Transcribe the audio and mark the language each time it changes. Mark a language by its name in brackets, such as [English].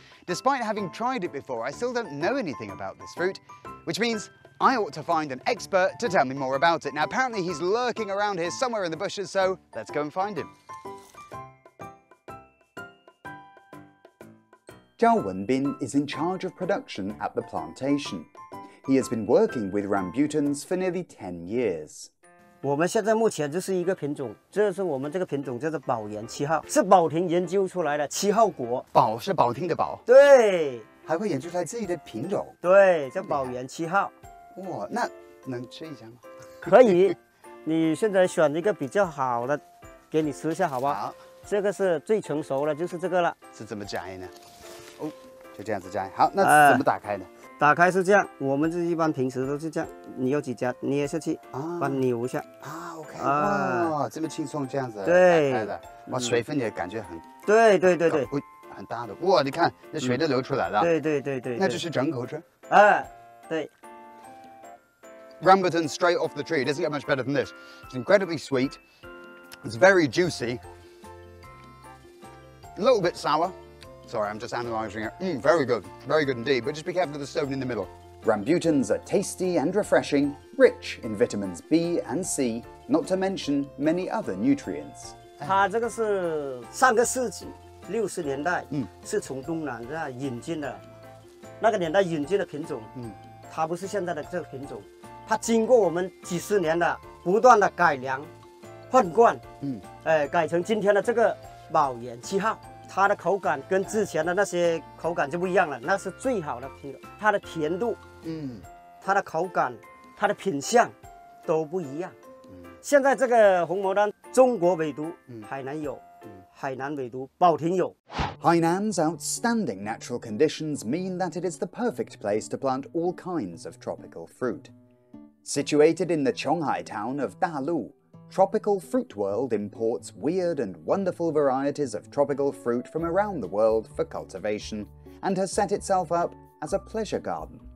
[English] Despite having tried it before, I still don't know anything about this fruit, which means I ought to find an expert to tell me more about it. Now, apparently he's lurking around here somewhere in the bushes, so let's go and find him. 赵文斌 is in charge of production at the plantation. He has been working with rambutans for nearly 10 years. [Chinese] 我们现在目前就是一个品种，这是我们这个品种叫做宝岩七号，是宝亭研究出来的七号果。宝是宝亭的宝。对。还会研究出来自己的品种。对，叫宝岩七号。哇，那能吃一下吗？可以，你现在选一个比较好的，给你吃一下，好不好？好，这个是最成熟的，就是这个了。是怎么摘呢？哦，就这样子摘。好，那怎么打开呢？打开是这样，我们这一般平时都是这样，你有几家捏下去，把它扭一下。 OK。 哇，这么轻松，这样子对打开的，哇，水分也感觉很。对对对对。很大的，哇，你看那水都流出来了。对对对对。那就是整口吃。对。 [English] Rambutan straight off the tree. It doesn't get much better than this. It's incredibly sweet. It's very juicy. A little bit sour. Sorry, I'm just analyzing it. Very good. Very good indeed. But just be careful of the stone in the middle. Rambutans are tasty and refreshing, rich in vitamins B and C, not to mention many other nutrients. This is from the 1960s, it's from the 1960s. It's not the 1960s. [Chinese] 它经过我们几十年的不断的改良换罐，改成今天的这个宝岩七号，它的口感跟之前的那些口感就不一样了，那是最好的品种，它的甜度，它的口感，它的品相都不一样，现在这个红毛丹，中国唯独海南有，海南唯独宝亭有。 [English] Hainan's outstanding natural conditions mean that it is the perfect place to plant all kinds of tropical fruit. Situated in the Qionghai town of Dalu, Tropical Fruit World imports weird and wonderful varieties of tropical fruit from around the world for cultivation, and has set itself up as a pleasure garden.